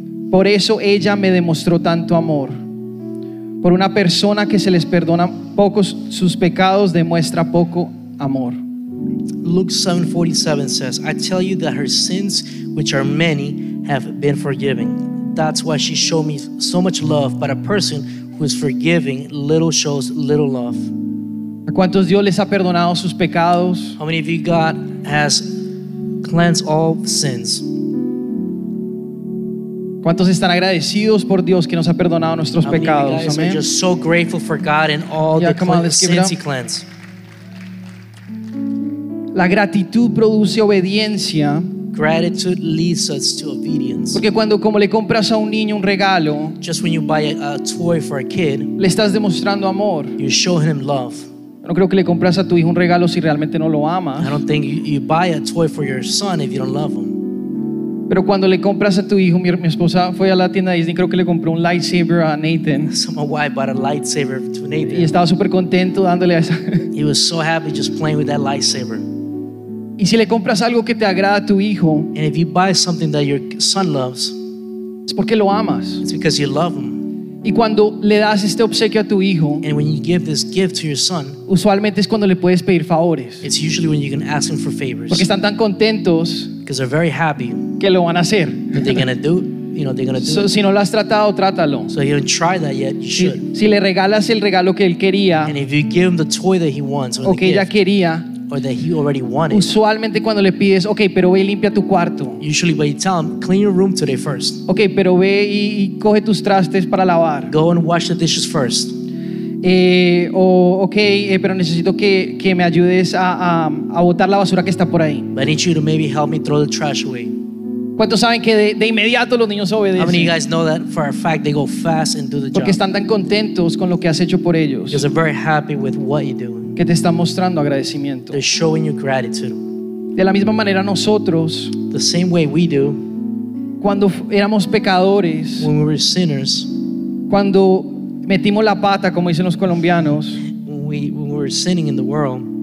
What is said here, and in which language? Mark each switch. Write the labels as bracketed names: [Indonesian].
[Spanish] Por eso ella me demostró tanto amor. Por una persona que se les perdona pocos sus pecados demuestra poco amor. [English] Luke 7:47 says, I tell you that her sins, which are many, have been forgiven. That's why she showed me so much love. But a person who is forgiving little shows little love. [Spanish] ¿A cuántos Dios les ha perdonado sus pecados? [English] How many of you God has cleansed all sins? [Spanish] ¿Cuántos están agradecidos por Dios que nos ha perdonado nuestros pecados? [English] How many of you guys are just so grateful for God and all the sins He cleansed? [Spanish] La gratitud produce obediencia. [English] Gratitude leads us to obedience. [Spanish] Porque cuando, como le compras a un niño un regalo, [English] just when you buy a toy for a kid, [Spanish] le estás demostrando amor. [English] You're showing him love. [Spanish] No creo que le compras a tu hijo un regalo si realmente no lo ama. [English] I don't think you buy a toy for your son if you don't love him. [Spanish] Pero cuando le compras a tu hijo, mi esposa fue a la tienda de Disney, creo que le compró un lightsaber a Nathan. [English] So my wife bought a lightsaber to Nathan. [Spanish] Y estaba súper contento dándole a esa. [English] He was so happy just playing with that lightsaber. [Spanish] Y si le compras algo que te agrada a tu hijo, [English] and if you buy something that your son loves, [Spanish] es porque lo amas. [English] It's because you love him. [Spanish] Y cuando le das este obsequio a tu hijo, [English] and when you give this gift to your son, [Spanish] usualmente es cuando le puedes pedir favores. [English] It's usually when you can ask him for favors. [Spanish] Porque están tan contentos, [English] because they're very happy, [Spanish] que lo van a hacer. [English] That they're gonna do, you know, they're gonna do. [Spanish] So, si no lo has tratado, trátalo. [English] So if you haven't tried that yet, you should. [Spanish] Si le regalas el regalo que él quería, [English] and if you give him the toy that he wants, [Spanish] o que ella quería, [English] or that he already wanted. [Spanish] Usualmente cuando le pides, okay, pero ve y limpia tu cuarto. [English] Usually when you tell him, clean your room today first. [Spanish] Okay, pero ve y coge tus trastes para lavar. [English] Go and wash the dishes first. [Spanish] Pero necesito que me ayudes a botar la basura que está por ahí. [English] But I need you to maybe help me throw the trash away. [Spanish] ¿Cuántos saben que de inmediato los niños obedecen? [English] How many of you guys know that for a fact they go fast and do the job? [Spanish] Porque están tan contentos con lo que has hecho por ellos. [English] Because they're very happy with what you're doing. [Spanish] Que te está mostrando agradecimiento. [English] They're showing you gratitude. [Spanish] De la misma manera nosotros, [English] the same way we do, [Spanish] cuando éramos pecadores, [English] when we were sinners, [Spanish] cuando metimos la pata, como dicen los colombianos, [English] when we were sinning in the world,